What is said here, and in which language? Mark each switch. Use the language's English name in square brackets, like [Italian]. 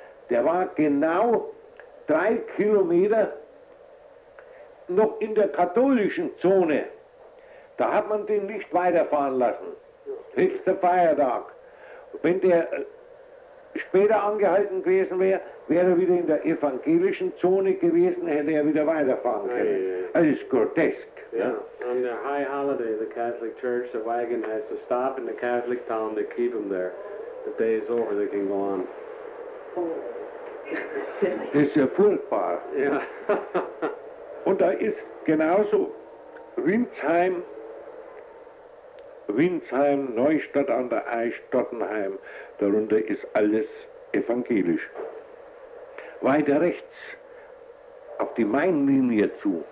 [German] Der war genau 3 Kilometer noch in der katholischen Zone. Da hat man den nicht weiterfahren lassen. Ja. Höchster Feiertag. Wenn der später angehalten gewesen wäre, wäre er wieder in der evangelischen Zone gewesen, hätte er wieder weiterfahren können. Ja. Das ist grotesk. Ja. [English] On the high holiday, the Catholic Church, the wagon has to stop in the Catholic town to keep them there. The day is over, they can go on. [German] Das ist ja furchtbar. Ja. Und da ist genauso Windsheim, Neustadt an der Aisch, Stottenheim, darunter ist alles evangelisch. Weiter rechts, auf die Mainlinie zu,